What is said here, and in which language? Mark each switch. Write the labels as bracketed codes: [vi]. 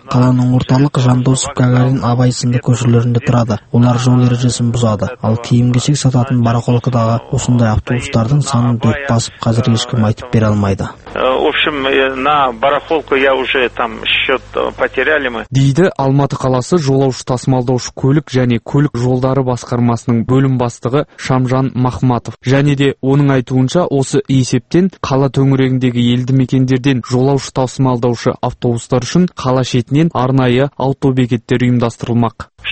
[kk] Қаланың орталық Жандосов, Гагарин, Абай сынды көшелерінде тұрады. Олар жол ережесін бұзады. Ал киім-кешек сататын Барақолкадағы осындай автобустардың санын дөп басып, қазір ешкім айтып бере алмайды. [ru] Общем, на барахолку я уже там счет потеряли мы. [kk] Дейді Алматы қаласы жолаушы тасымалдаушы көлік және көлік жолдары басқармасының бөлім бастығы Шамжан Махматов. Және де оның айтуынша, осы есептен қала төңірегіндегі елді мекендерден жолаушы тасымалдаушы автобустар үшін қала шетінен арнайы автобекеттер ұйымдастырылмақ.